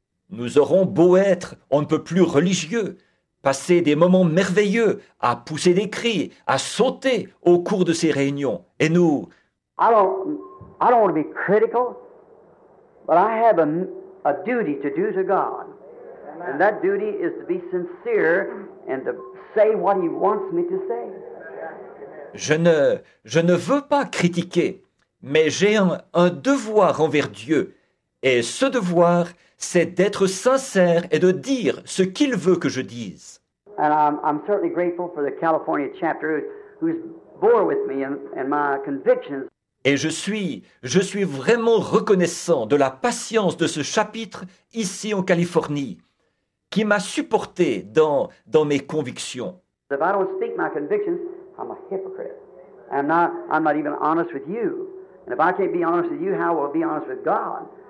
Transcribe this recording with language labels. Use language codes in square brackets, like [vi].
[fr] Nous aurons beau être, on ne peut plus religieux, passer des moments merveilleux à pousser des cris, à sauter au cours de ces réunions. Et nous... [en] I don't want to be critical, but I have a duty to do to God. And that duty is to be sincere and to say what he wants me to say. [fr] Je ne veux pas critiquer, mais j'ai un devoir envers Dieu. Et ce devoir... c'est d'être sincère et de dire ce qu'il veut que je dise. [en] And I'm certainly grateful for the California chapter who's bore with me and my convictions. [fr] Et je suis vraiment reconnaissant de la patience de ce chapitre ici en Californie qui m'a supporté dans mes convictions. [en] If I don't speak my convictions, I'm a hypocrite. I'm not even honest with you. And if I can't be honest with you, how will I be honest with God?